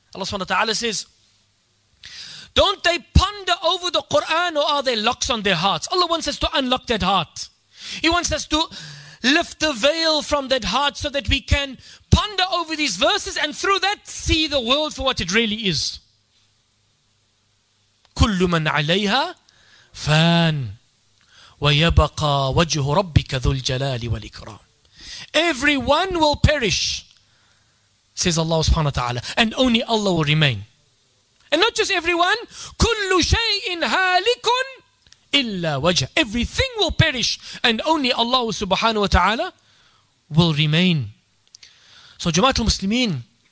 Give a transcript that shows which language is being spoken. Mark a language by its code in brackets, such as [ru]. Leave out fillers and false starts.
[en] Allah subhanahu wa ta'ala says, don't they ponder over the Quran, or are there locks on their hearts? Allah wants us to unlock that heart. He wants us to lift the veil from that heart so that we can ponder over these verses and through that see the world for what it really is. [ar] كل من عليها فان ويبقى وجه ربك ذو الجلال والإكرام. [en] Everyone will perish, says Allah subhanahu wa ta'ala, and only Allah will remain. And not just everyone, [ar] كل شيء هالك illa wajah. [en] Everything will perish, and only Allah subhanahu wa ta'ala will remain. So Jamaat al-Muslimin,